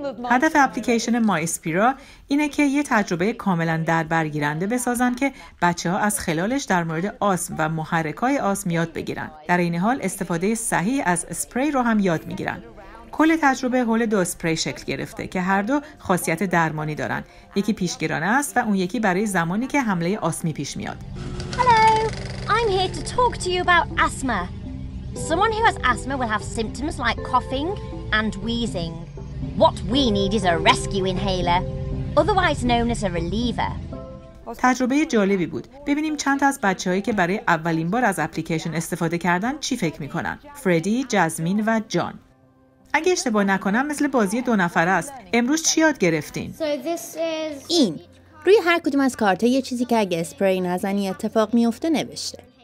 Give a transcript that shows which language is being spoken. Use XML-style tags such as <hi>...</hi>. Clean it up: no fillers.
<fa>هدف اپلیکیشن مایسپیرا اینه که یه تجربه کاملا دربرگیرنده بسازن که بچه‌ها از خلالش در مورد آسم و محرکای آسم یاد بگیرن. در این حال استفاده صحیح از اسپری رو هم یاد میگیرن. کل تجربه هول دو اسپری شکل گرفته که هر دو خاصیت درمانی دارن. یکی پیشگیرانه است و اون یکی برای زمانی که حمله آسمی پیش میاد.</fa> <en>Hello. I'm here to talk to you about asthma. Someone who has asthma will have symptoms like coughing and wheezing. What we need is a rescue inhaler, otherwise known as a reliever.</en> <fa>تجربه جالبی بود. ببینیم چند تا از بچه‌هایی که برای اولین بار از اپلیکیشن استفاده کردن چی فکر می‌کنن. فردی، جازمین و جان. اگه اشتباه نکنم مثل بازی دو نفره است. امروز چی یاد گرفتین؟ این روی هر کدوم از کارت‌ها یه چیزی که اگه اسپری نزنی اتفاق میفته نوشته.</fa>